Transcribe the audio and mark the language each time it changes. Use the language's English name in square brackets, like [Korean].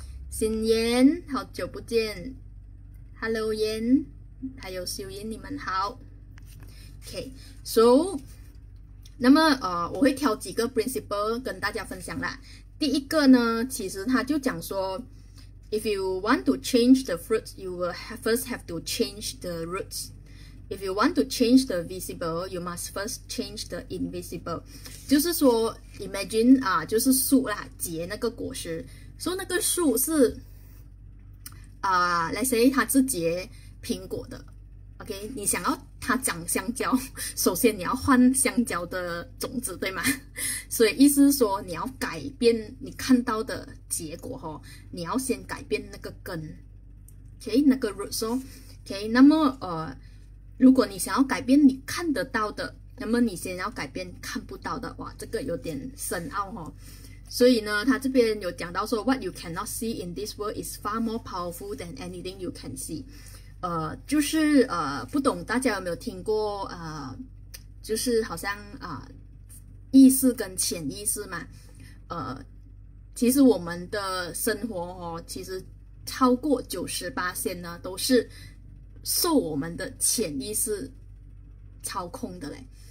[Chinese] 新妍，好久不见，Hello 妍，还有秀英，你们好，OK？So，那么我会挑几个 principle 跟大家分享啦。第一个呢，其实他就讲说。 [English] If you want to change the fruits, you will first have to change the roots. If you want to change the visible, you must first change the invisible. [Chinese] 就是说，imagine 就是树啦，结那个果实。说、so, 那个树是啊、，let's say 它是结苹果的，OK，你想要它长香蕉，首先你要换香蕉的种子，对吗？所以意思是说，你要改变你看到的结果哦，你要先改变那个根，OK，那个 root 哦，OK，那么如果你想要改变你看得到的，那么你先要改变看不到的，哇，这个有点深奥哦。所以呢，他这边有讲到说， [English] What you cannot see in this world is far more powerful than anything you can see。 [Chinese] 就是不懂大家有没有听过就是好像意识跟潜意识嘛。其实我们的生活哦，其实超过90%呢都是受我们的潜意识操控的嘞。